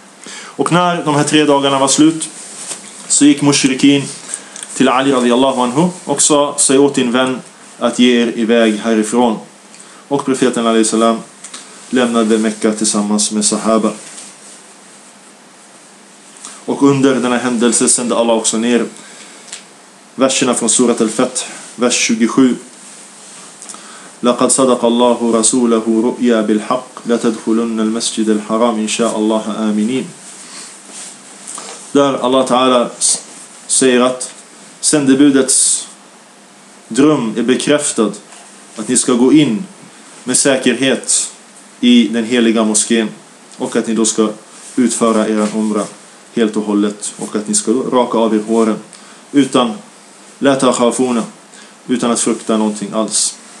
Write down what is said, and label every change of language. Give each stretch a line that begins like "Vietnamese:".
Swedish: Och när de här 3 dagarna var slut så gick mushrikin till Ali radiyallahu anhu och sa, säg åt din vän att ge er iväg härifrån. Och profeten alayhi salam lämnade Mekka tillsammans med sahaba. Och under denna händelse sände Allah också ner verserna från surat al-Fath, vers 27.
Arabic: لقد صدق الله رسوله رؤيا بالحق لتدخلن المسجد الحرام إن شاء الله آمنين.
Swedish: Där Allah Ta'ala säger att sändebudets dröm är bekräftad, att ni ska gå in med säkerhet i den heliga moskén och att ni då ska utföra era umra helt och hållet och att ni ska raka av er håren utan lätakhafuna, utan att frukta någonting alls.